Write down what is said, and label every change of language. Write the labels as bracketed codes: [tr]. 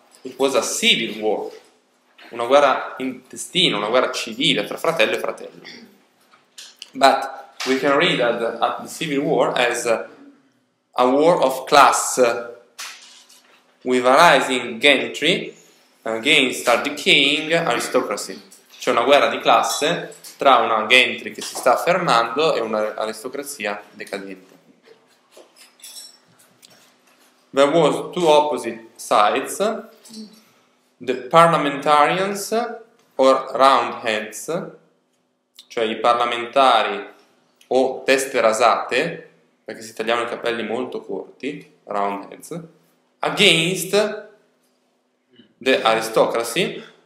[en] It was a civil war, [it] una guerra intestina, una guerra civile tra fratello e fratello. [en] But we can read at the civil war as a war of class with a rising gentry against a decaying aristocracy. [it] C'è una guerra di classe tra una gentry che si sta affermando e un'aristocrazia decadente. [en] There was two opposite sides, the parliamentarians or roundheads, [it] cioè i parlamentari o teste rasate, perché si tagliavano i capelli molto corti, [en] roundheads, against the aristocracy,